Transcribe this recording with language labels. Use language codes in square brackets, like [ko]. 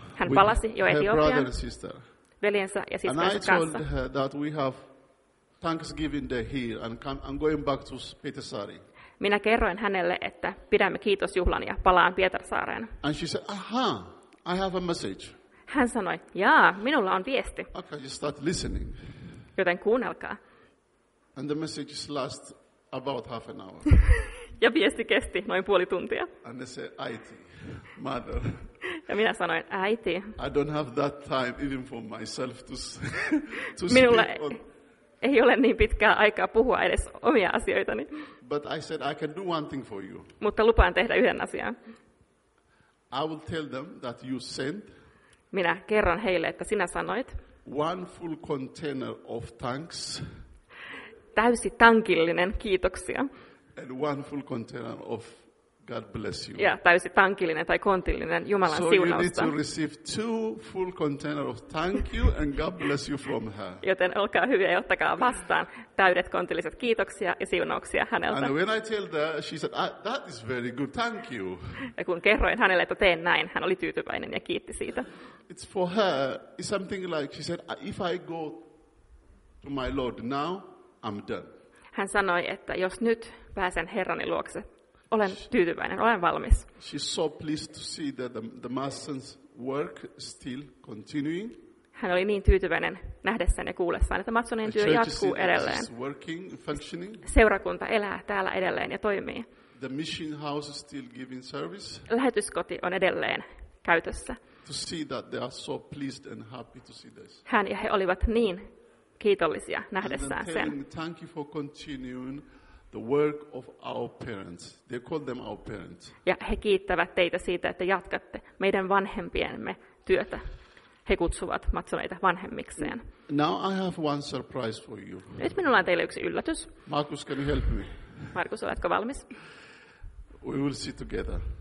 [fi] Hän palasi jo Etiopiaan. [en] Her brother and sister. [fi] Veljensä ja siskonsa kanssa. [en] And I told her that we have Thanksgiving day here and I'm going back to Pietarsaari. [fi] Minä kerroin hänelle, että pidämme kiitosjuhlan ja palaan Pietarsaareen. [en] And she said, aha, I have a message. [fi] Hän sanoi, jaa, minulla on viesti. [en] Okay, you start listening. [fi] Joten kuunnelkaa. [en] And the message last about half an hour. [fi] Ja viesti kesti noin puoli tuntia. [en] And they say, "Aiti, mother." [fi] Ja minä sanoin, "Aiti." [en] I don't have that time even for myself to [fi] minulla [en] speak on. [fi] Ei ole niin pitkää aikaa puhua edes omia asioitani. [en] But I said I can do one thing for you. [fi] Mutta lupaan tehdä yhden asian. [en] I will tell them that you sent. [fi] Minä kerron heille, että sinä sanoit. [en] One full container of thanks. [fi] Täysi tankillinen kiitoksia. [en] And one full container of God bless you. [fi] Ja täysi tankillinen tai kontillinen Jumalan [en] so [fi] siunausta. [en] So you need to receive two full containers of thank you and God bless you from her. [fi] Joten olkaa hyviä ja ottakaa vastaan täydet kontilliset kiitoksia ja siunauksia häneltä. [en] And when I told her, she said, that is very good, thank you. [fi] Ja kun kerroin hänelle, että teen näin, hän oli tyytyväinen ja kiitti siitä. [en] It's for her, it's something like, she said, if I go to my Lord now, I'm done. [fi] Hän sanoi, että jos nyt pääsen Herrani luokse, olen tyytyväinen, olen valmis. [en] She's so pleased to see that the Masson's work still continuing. [fi] Hän oli niin tyytyväinen nähdessään ja kuullessaan, että Massonin työ jatkuu edelleen. [en] Working, functioning. [fi] Seurakunta elää täällä edelleen ja toimii. [en] The mission house is still giving service. [fi] Lähetyskoti on edelleen käytössä. [en] To see that they are so pleased and happy to see this. [fi] Hän ja he olivat niin kiitollisia nähdessään sen. [en] Thank you for continuing the work of our parents. They call them our parents. [fi] Ja he kiittävät teitä siitä, että jatkatte meidän vanhempiemme työtä. He kutsuvat matsoneita vanhemmikseen. [en] Now I have one surprise for you. [fi] Nyt minulla on teille yksi yllätys. [en] Markus, can you help me? [fi] Markus, oletko valmis? [en] We will see together.